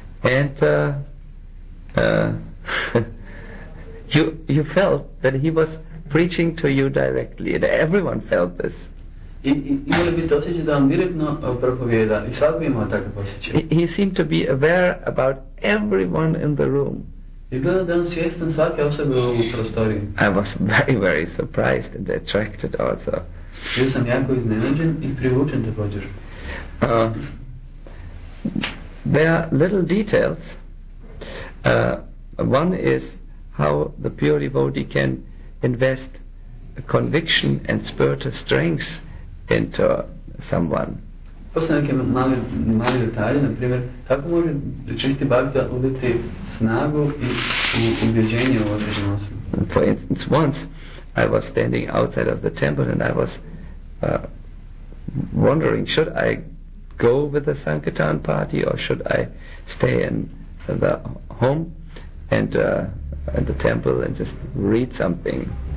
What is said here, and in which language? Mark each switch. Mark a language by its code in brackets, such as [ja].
[en] And you felt that he was preaching to you directly, and everyone felt this. [hr] Imali biste osjećaj da vam direktno propovijeda, i svak bi imao takav osjećaj. [en] He seemed to be aware about everyone in the room. [hr] Izgleda da je on svjestan svake osobe u prostoriji. [en] I was very, very surprised and attracted also. [hr] Bio sam jako iznenađen i privučen također. [en] There are little details. One is how the pure devotee can invest conviction and spiritual strength into someone. [hr] Postoje neke mali detalje, na primjer, kako može čisti bhakta uvjeti snagu i ubjeđenje u određenu osobu. [en] For instance, once I was standing outside of the temple and I was wondering, should I go with the Sankirtan party or should I stay in the home and in the temple and just read something?